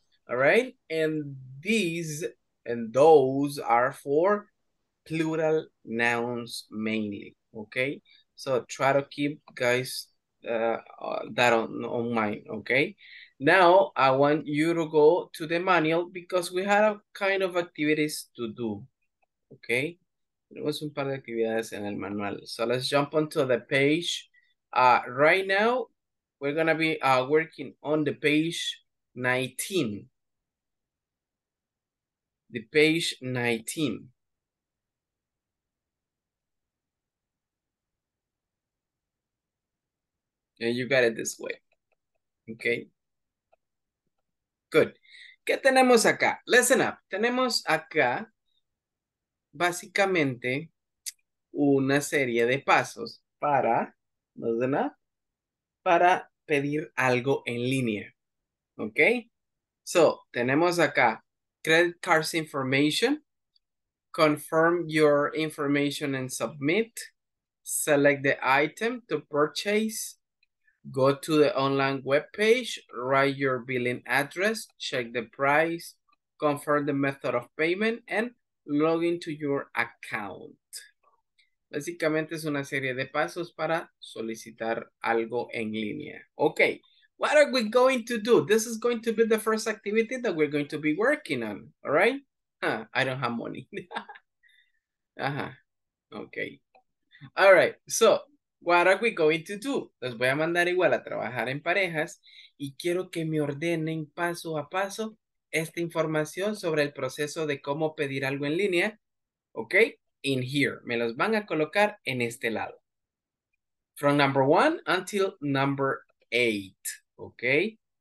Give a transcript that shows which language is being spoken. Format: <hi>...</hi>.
<en>All right, and these and those are for plural nouns mainly, okay? So try to keep guys that on mind, okay? Now, I want you to go to the manual because we had a kind of activities to do, okay?</en> <es>Tenemos un par de actividades en el manual.</es> <en>So let's jump onto the page. Right now, we're gonna be working on the page 19. The page 19. And you got it this way. Okay. Good.</en> <es>¿Qué tenemos acá?</es> <en>Listen up.</en> <es>Tenemos acá básicamente una serie de pasos para,</es> <en>listen up,</en> <es>para pedir algo en línea.</es> <en>Okay. So,</en> <es>tenemos acá</es> <en>credit cards information, confirm your information and submit, select the item to purchase, go to the online webpage, write your billing address, check the price, confirm the method of payment, and log into your account.</en> <es>Básicamente es una serie de pasos para solicitar algo en línea.</es> <en>Okay, what are we going to do? This is going to be the first activity that we're going to be working on, all right? I don't have money. Okay. All right, so what are we going to do?</en> <es>Les voy a mandar igual a trabajar en parejas y quiero que me ordenen paso a paso esta información sobre el proceso de cómo pedir algo en línea, ¿ok?</es> <en>In here.</en> <es>Me los van a colocar en este lado.</es> <en>From number one until number eight,</en> <es>¿ok?</es>